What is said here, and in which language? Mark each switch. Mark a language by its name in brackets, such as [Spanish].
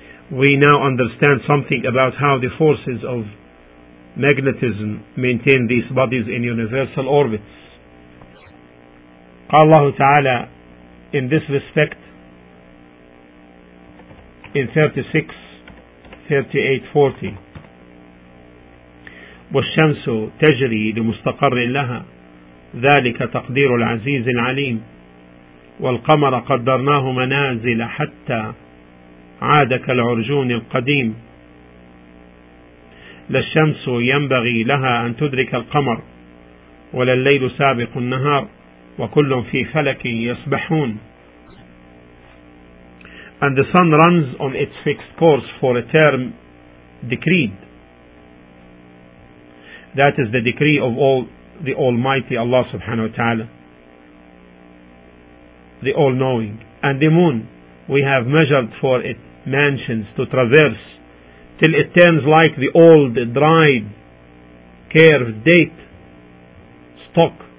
[English] We now understand something about how the forces of magnetism maintain these bodies in universal orbits. Allah Ta'ala in this respect in 36:38-40. [Arabic] والشمس تجري لمستقر لها ذلك تقدير العزيز العليم والقمر قدرناه منازل حتى عاد كالعرجون القديم للشمس ينبغي لها أن تدرك القمر ولا الليل سابق النهار وكل في فلك يسبحون. [English] And the sun runs on its fixed course for a term decreed. That is the decree of all the Almighty Allah subhanahu wa ta'ala, the All-Knowing. And the moon, we have measured for it mansions to traverse till it turns like the old, dried, curved date stock.